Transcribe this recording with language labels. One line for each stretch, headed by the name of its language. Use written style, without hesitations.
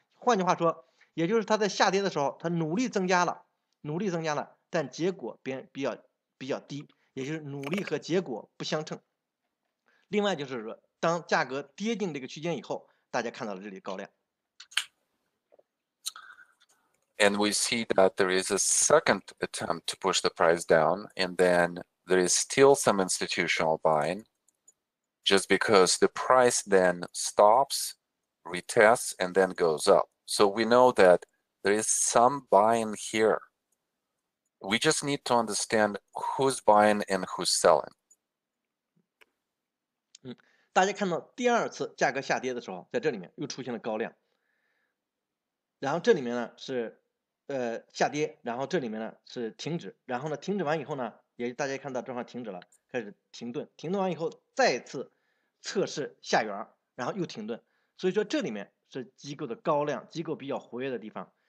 Chinese: 换句话说，也就是它在下跌的时候，它努力增加了，努力增加了，但结果比较低，也就是努力和结果不相称。另外就是说，当价格跌进这个区间以后，大家看到了这里高量。
English: And we see that there is a second attempt to push the price down, and then there is still some institutional buying, just because the price then stops, retests, and then goes up. So we know that there is some buying here. We just need to understand who's buying and who's selling.
Chinese: 大家看到第二次价格下跌的时候，在这里面又出现了高量，然后这里面呢是下跌，然后这里面呢是停止，然后呢停止完以后呢，也大家看到正好停止了，开始停顿，停顿完以后再次测试下缘，然后又停顿，所以说这里面是机构的高量，机构比较活跃的地方。